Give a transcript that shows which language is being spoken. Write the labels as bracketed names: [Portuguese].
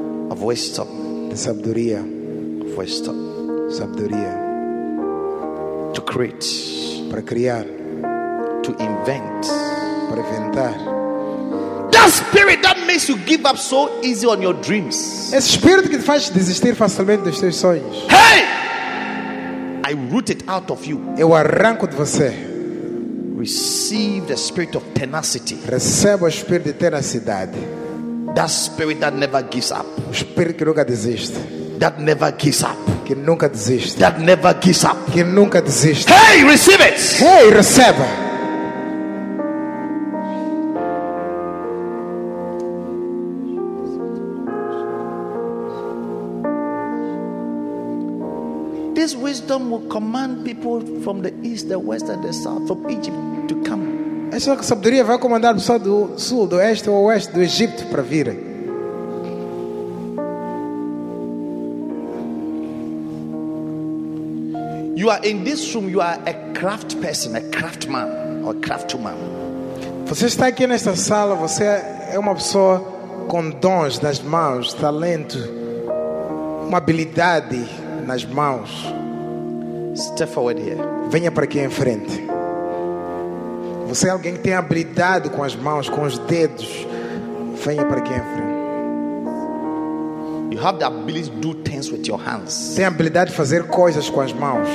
[English] Of wisdom. [Portuguese] Sabedoria. [English] To create. [Portuguese] Para criar. [English] To invent. [Portuguese] Para inventar. [English] That spirit that makes you give up so easy on your dreams. [Portuguese] Esse espírito que te faz desistir facilmente dos teus sonhos. [English] Hey! I root it out of you. [Portuguese] Eu arranco de você. [English] Receive the spirit of tenacity. [Portuguese] Receba o espírito de tenacidade. [English] That spirit that never gives up. [Portuguese] O espírito que nunca desiste. [English] That never gives up. [Portuguese] Que nunca desiste. [English] That never gives up. [Portuguese] Que nunca desiste. [English] Hey, receive it. [Portuguese] Hey, receba. [English] This wisdom will command people from the east, the west, and the south of Egypt to come. [Portuguese] Essa sabedoria vai comandar pessoas do sul, do oeste, ou oeste do Egito para vir. [English] You are in this room. You are a craft person, a craftman, or a craftwoman. [Portuguese] Você está aqui nesta sala. Você é uma pessoa com dons nas mãos, talento, uma habilidade. Nas mãos. [English] Step forward here. [Portuguese] Venha para aqui em frente. Você é alguém que tem habilidade com as mãos, com os dedos. Venha para aqui em frente. [English] You have the ability to do things with your hands. [Portuguese] Tem habilidade de fazer coisas com as mãos.